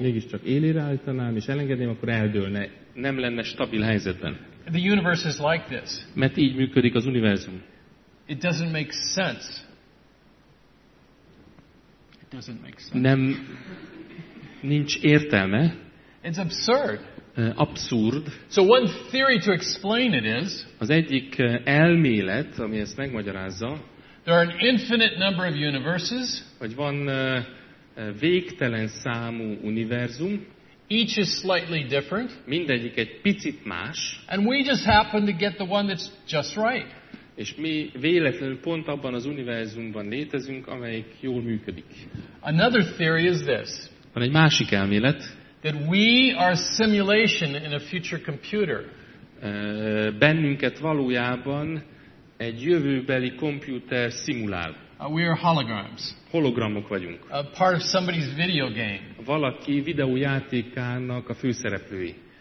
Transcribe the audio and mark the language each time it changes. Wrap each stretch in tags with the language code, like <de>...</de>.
<hu>Mégis csak élére állítanám, és elengedném, akkor eldőlne. Nem lenne stabil helyzetben.</hu> <en>The universe is like this.</en> <hu>Mert így működik az univerzum.</hu> <en>It doesn't make sense. It doesn't make sense.</en> <hu>Nem, nincs értelme.</hu> <en>It's absurd.</en> <hu>Abszurd.</hu> <en>So one theory to explain it is,</en> <hu>az egyik elmélet, ami ezt megmagyarázza,</hu> <en>there are an infinite number of universes,</en> <hu>hogy van végtelen számú univerzum,</hu> <en>each is slightly different,</en> <hu>mindegyik egy picit más,</hu> <en>and we just happen to get the one that's just right.</en> <hu>És mi véletlenül pont abban az univerzumban létezünk, amelyik jól működik.</hu> <en>Another theory is this.</en> <hu>Van egy másik elmélet,</hu> <en>that we are a simulation in a future computer.</en> <hu>Bennünket valójában egy jövőbeli komputer szimulál.</hu> <en>We are holograms.</en> <hu>Hologramok vagyunk.</hu> <en>A part of somebody's video game.</en> <hu>Valaki videójátékának a főszereplői.</hu>